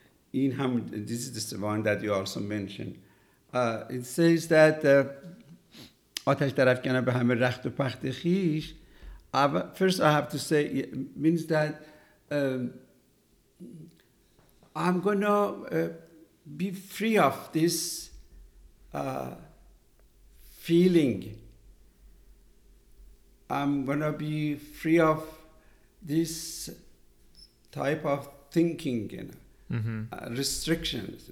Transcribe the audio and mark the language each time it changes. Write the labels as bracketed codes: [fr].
[fa] این هم [en] this is the one that you also mentioned. It says that [fa] آتش در افکنم به همه رخت و پخت خیش. [en] First, I have to say it means that I'm gonna be free of this feeling. I'm gonna be free of this type of thinking, you know, restrictions.